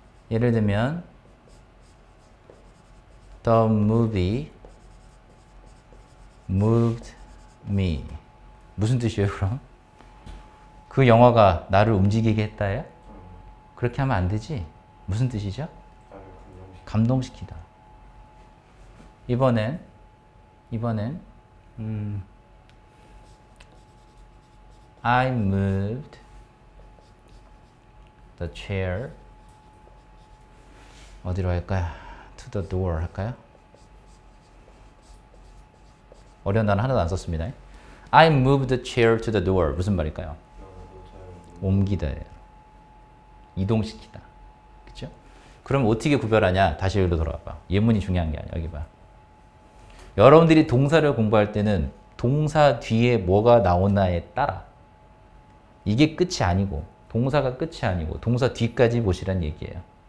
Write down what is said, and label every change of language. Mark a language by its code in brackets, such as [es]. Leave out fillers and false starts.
[ko] 예를 들면 [en] The movie moved me. [ko] 무슨 뜻이에요 그럼? 그 영화가 나를 움직이게 했다요? 그렇게 하면 안 되지? 무슨 뜻이죠? 감동시키다. 이번엔 [en] I moved the chair [ko] 어디로 할까요? [en] To the door [ko] 할까요? 어려운 단어 하나도 안 썼습니다. [en] I moved the chair to the door [ko] 무슨 말일까요? 옮기다 이동시키다 그렇죠? 그럼 어떻게 구별하냐? 다시 여기로 돌아와봐. 예문이 중요한 게 아니야. 여기 봐. 여러분들이 동사를 공부할 때는 동사 뒤에 뭐가 나오나에 따라 이게 끝이 아니고 동사가 끝이 아니고 동사 뒤까지 보시라는 얘기예요.